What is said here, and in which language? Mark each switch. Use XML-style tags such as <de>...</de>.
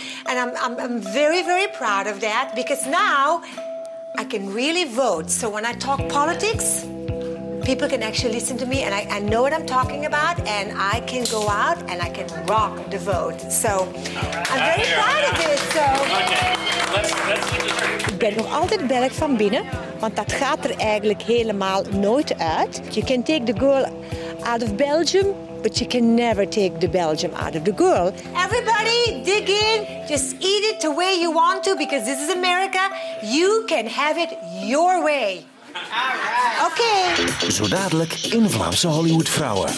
<en>And I'm very, very proud of that because now I can really vote. So when I talk politics, people can actually listen to me and I know what I'm talking about and I can go out and I can rock the vote. So I'm very proud of this. So.</en> <nl>Ik ben nog altijd Belg van binnen, want dat gaat er eigenlijk helemaal nooit uit.</nl> <en>You can take the girl out of Belgium, but you can never take the Belgium out of the girl. Everybody, dig in. Just eat it the way you want to, because this is America. You can have it your way. Alright. Okay.</en> <nl>Zo dadelijk in Vlaamse Hollywoodvrouwen.</nl>